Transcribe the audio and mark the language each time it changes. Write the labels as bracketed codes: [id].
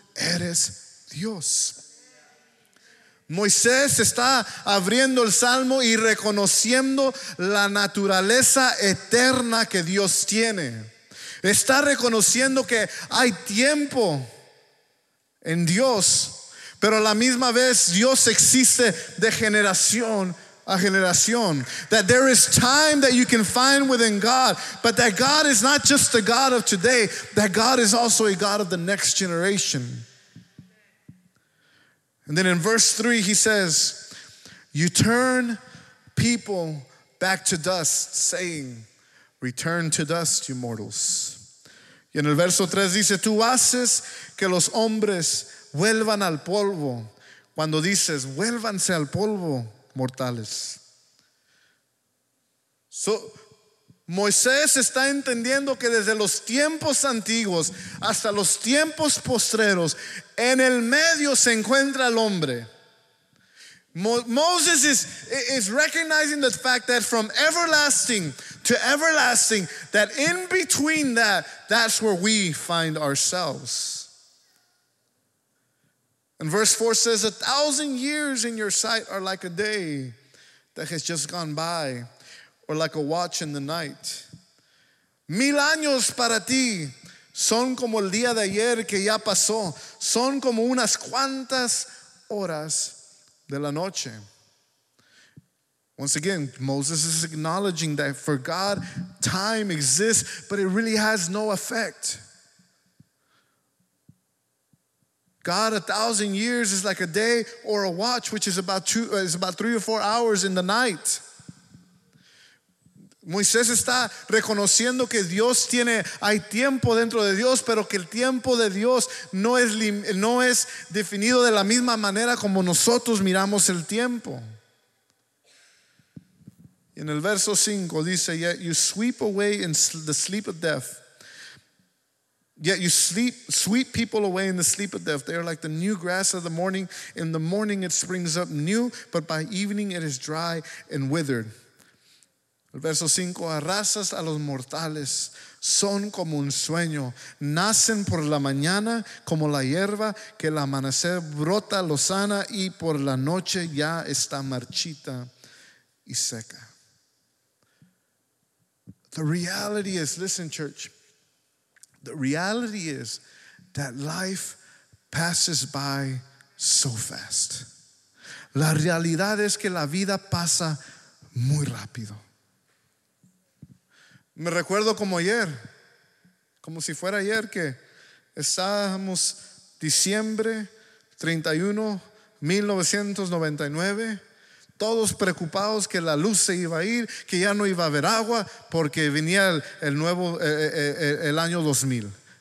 [es] eres Dios. Moisés está abriendo el salmo y reconociendo la naturaleza eterna que Dios tiene. Está reconociendo que hay tiempo en Dios, pero a la misma vez Dios existe de generación a generación. [en] That there is time that you can find within God, but that God is not just the God of today, that God is also a God of the next generation. And then in verse 3 he says, you turn people back to dust, saying, return to dust, you mortals. [es] Y en el verso 3 dice, tú haces que los hombres vuelvan al polvo. Cuando dices, vuélvanse al polvo, mortales. So, Moisés está entendiendo que desde los tiempos antiguos hasta los tiempos postreros, en el medio se encuentra el hombre. [en] Moses is recognizing the fact that from everlasting to everlasting, that in between that, that's where we find ourselves. And verse 4 says, a thousand years in your sight are like a day that has just gone by, or like a watch in the night. [es] Mil años para ti son como el día de ayer que ya pasó, son como unas cuantas horas de la noche. [en] Once again, Moses is acknowledging that for God, time exists, but it really has no effect. God, a thousand years is like a day or a watch, which is about three or four hours in the night. [es] Moisés está reconociendo que Dios tiene, hay tiempo dentro de Dios, pero que el tiempo de Dios no es definido de la misma manera como nosotros miramos el tiempo. Y en el verso 5 dice, [en] yet you sweep away in the sleep of death. Yet you sweep people away in the sleep of death. They are like the new grass of the morning. In the morning it springs up new, but by evening it is dry and withered. [es] El verso 5, arrasas a los mortales, son como un sueño. Nacen por la mañana como la hierba que el amanecer brota lozana y por la noche ya está marchita y seca. [en] The reality is, listen church, the reality is that life passes by so fast. [es] La realidad es que la vida pasa muy rápido. Me recuerdo como ayer, como si fuera ayer, que estábamos diciembre 31, 1999, todos preocupados que la luz se iba a ir, que ya no iba a haber agua, porque venía el año 2000.